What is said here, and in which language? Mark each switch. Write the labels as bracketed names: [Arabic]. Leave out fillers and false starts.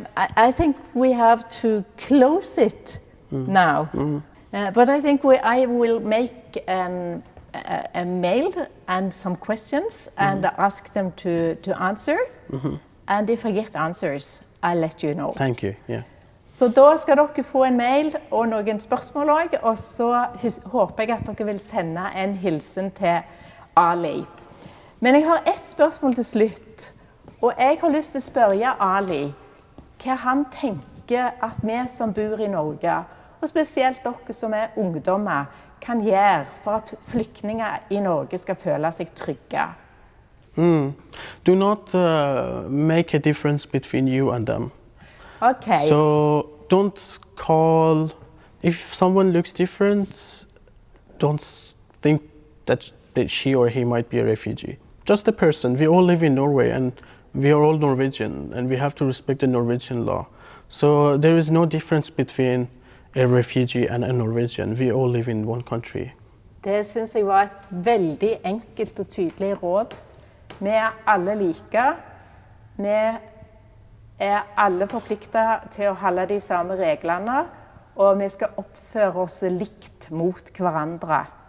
[English] I think we have to close it now. Mm-hmm. But I think I will make a mail and some questions and ask them to answer. Mm-hmm. And if I get answers, I'll let you know. Thank you. Yeah. [Norwegian] Så da skal dere få en mail og noen spørsmål også, og så håper jeg at dere vil sende en hilsen til Ali. Men jeg har ett spørsmål til slutt, og jeg har lyst til å spørre Ali hva han tenker at vi som bor i Norge, og spesielt dere som ungdommer, kan gjøre for at flyktninger i Norge skal føle seg trygge. Mm. [English] Do not make a difference between you and them. Okay. So don't call, if someone looks different, don't think that she or he might be a refugee. Just a person. We all live in Norway and we are all Norwegian and we have to respect the Norwegian law. So there is no difference between a refugee and a Norwegian. We all live in one country. [Norwegian] Det synes jeg var et veldig enkelt og tydelig råd. Vi alle like. Vi alle forpliktet til å holde de samme reglene, og vi skal oppføre oss likt mot hverandre.